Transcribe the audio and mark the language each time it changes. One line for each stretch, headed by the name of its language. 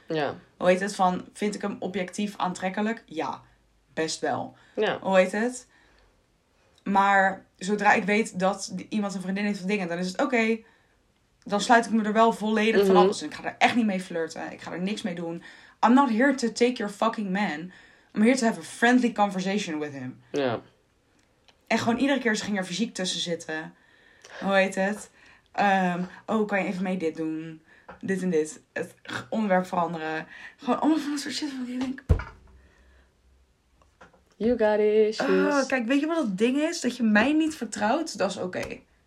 Dutch: Ja. Hoe heet het? Van, vind ik hem objectief aantrekkelijk? Ja, best wel. Ja. Hoe heet het? Maar zodra ik weet dat iemand een vriendin heeft van dingen, dan is het oké. Okay. Dan sluit ik me er wel volledig van alles. En ik ga er echt niet mee flirten. Ik ga er niks mee doen.
English: I'm not here to take your fucking man. I'm here to have a friendly conversation with him.
Dutch: Ja. En gewoon iedere keer, ze ging er fysiek tussen zitten. Hoe heet het? Oh, kan je even mee dit doen? Dit en dit. Het onderwerp veranderen. Gewoon allemaal van dat soort shit. Van die denk.
English: You got issues.
Dutch: Kijk, weet je wat het ding is? Dat je mij niet vertrouwt, dat is oké.